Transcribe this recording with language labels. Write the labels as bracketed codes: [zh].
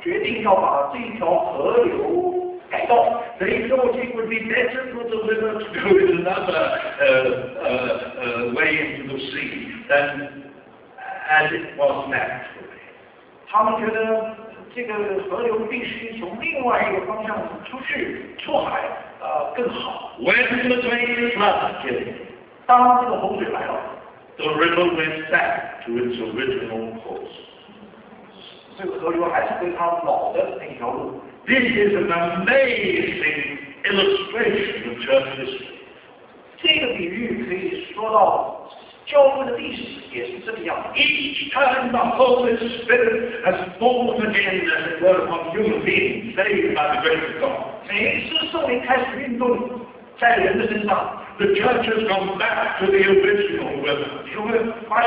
[zh] 他们那个这个村里面的领导者决定要把这条河流改道. [en] They thought it would be better for the river to go in another way into the sea than as it was naturally. [zh] 他们觉得 这个河流必须从另外一个方向出去出海, 更好. [en] When the great flood came, [zh] 当这个洪水来了, [en] the river went back to its original course. [zh] 这个河流还是跟它老的那条路. [en] This is an amazing illustration of church history. [zh] 这个比喻可以说到 [en] each time the Holy Spirit has fallen again, as it were, upon human beings, saved by the grace of God. [zh] 每一次圣灵开始运动在人的身上, [en] the church has gone back to the original